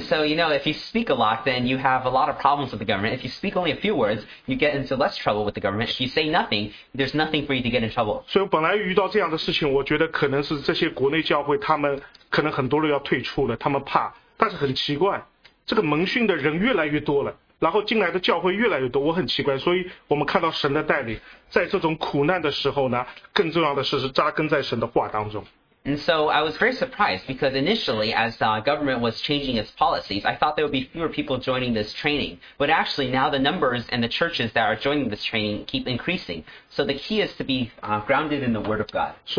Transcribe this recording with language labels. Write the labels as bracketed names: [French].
[English] so you know, if you speak a lot, then you have a lot of problems with the government. If you speak only a few words, you get into less trouble with the government. If you say nothing, there's nothing for you to get in trouble. [Chinese] 所以我本来遇到这样的事情，我觉得可能是这些国内教会他们可能很多人要退出了，他们怕。但是很奇怪，这个门训的人越来越多了。然后进来的教会越来越多，我很奇怪，所以我们看到神的带领，在这种苦难的时候呢，更重要的是扎根在神的话当中。 [English] And so I was very surprised because initially, as the government was changing its policies, I thought there would be fewer people joining this training. But actually, now the numbers and the churches that are joining this training keep increasing. So the key is to be grounded in the Word of God.